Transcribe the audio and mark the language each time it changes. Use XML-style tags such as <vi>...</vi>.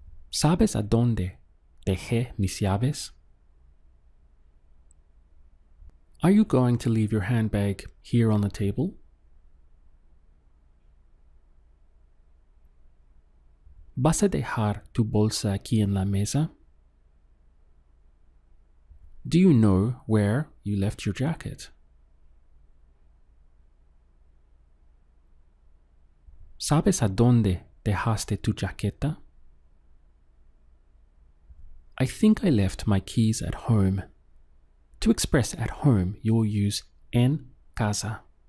<es>¿Sabes a dónde dejé mis llaves?</es> <en>Are you going to leave your handbag here on the table?</en> <es>¿Vas a dejar tu bolsa aquí en la mesa?</es> <en>Do you know where you left your jacket?</en> <es>¿Sabes a dónde dejaste tu chaqueta?</es> <en>I think I left my keys at home. To express at home, you'll use</en> <es>en casa.</es>